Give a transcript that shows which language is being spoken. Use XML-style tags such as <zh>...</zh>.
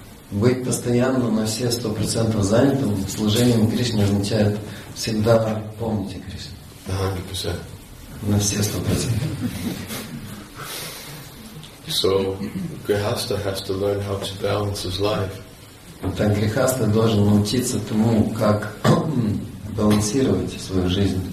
<ru>Быть постоянно на все 100% занятым служением Кришне означает всегда помнить о Кришне. 100%. На все 100%.</ru> <en>So, grihastha has to learn how to balance his life.</en> <ru>Так грихастха должен научиться тому, как балансировать свою жизнь.</ru>